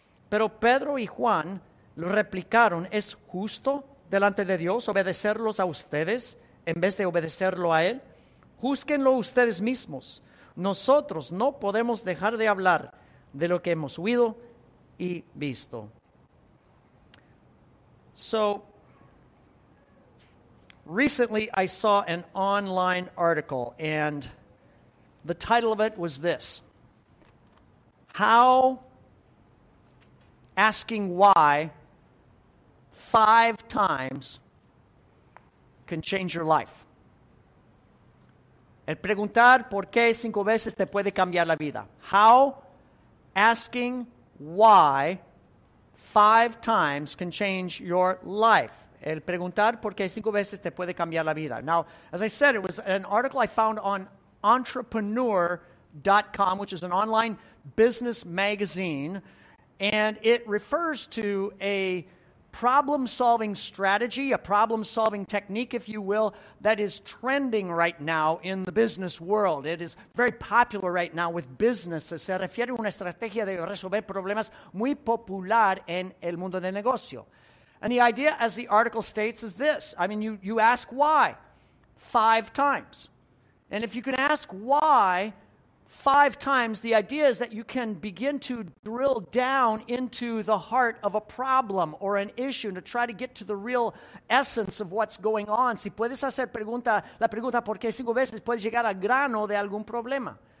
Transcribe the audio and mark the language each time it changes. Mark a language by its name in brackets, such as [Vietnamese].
[Spanish] Pero Pedro y Juan lo replicaron: '¿Es justo delante de Dios obedecerlos a ustedes en vez de obedecerlo a él? Júzguenlo ustedes mismos. Nosotros no podemos dejar de hablar de lo que hemos oído y visto.'" [English] So, recently I saw an online article, and the title of it was this: "How asking why five times can change your life." [Spanish] El preguntar por qué cinco veces te puede cambiar la vida. [English] How asking why five times can change your life. [Spanish] El preguntar por qué cinco veces te puede cambiar la vida. [English] Now, as I said, it was an article I found on Entrepreneur.com, which is an online business magazine, and it refers to a problem-solving strategy, a problem-solving technique, if you will, that is trending right now in the business world. It is very popular right now with businesses. [Spanish] Se refiere a una estrategia de resolver problemas muy popular en el mundo de negocio. [English] And the idea, as the article states, is this. I mean, you ask why five times. And if you can ask why five times, the idea is that you can begin to drill down into the heart of a problem or an issue to try to get to the real essence of what's going on. [Spanish] Si puedes hacer la pregunta por qué cinco veces, puedes llegar al grano de algún problema.